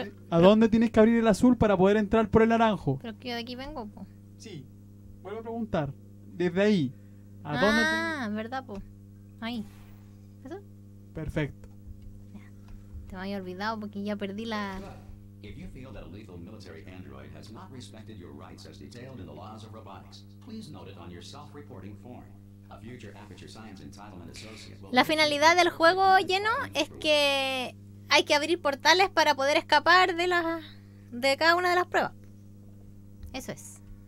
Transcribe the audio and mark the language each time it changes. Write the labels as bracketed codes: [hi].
[es] ¿A dónde tienes que abrir el azul para poder entrar por el naranjo? Pero es que yo de aquí vengo, pues. Sí. Vuelvo a preguntar. Desde ahí. ¿A dónde? Ah, verdad, po. Ahí. ¿Eso? Perfecto. Te me había olvidado porque ya perdí la... [en] If you feel that a lethal military android has not respected your rights as detailed in the laws of robotics, please note it on your self-reporting form. A future Aperture Science Entitlement Associate will... [es] La finalidad del juego lleno es que hay que abrir portales para poder escapar de la... de cada una de las pruebas. Eso es.